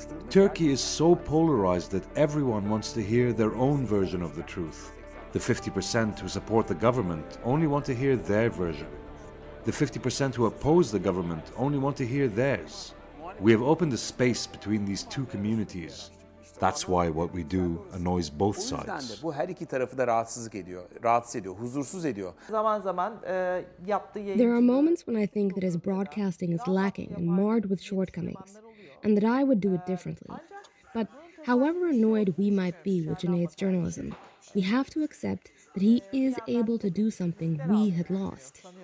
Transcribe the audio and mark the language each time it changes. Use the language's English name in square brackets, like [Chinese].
[English] Turkey is so polarized that everyone wants to hear their own version of the truth. The 50% who support the government only want to hear their version. The 50% who oppose the government only want to hear theirs. We have opened a space between these two communities. That's why what we do annoys both sides. [Turkish] Bu her iki tarafı da rahatsız ediyor, huzursuz ediyor. [English] There are moments when I think that his broadcasting is lacking and marred with shortcomings, and that I would do it differently. But however annoyed we might be with Cüneyt's journalism, we have to accept that he is able to do something we had lost.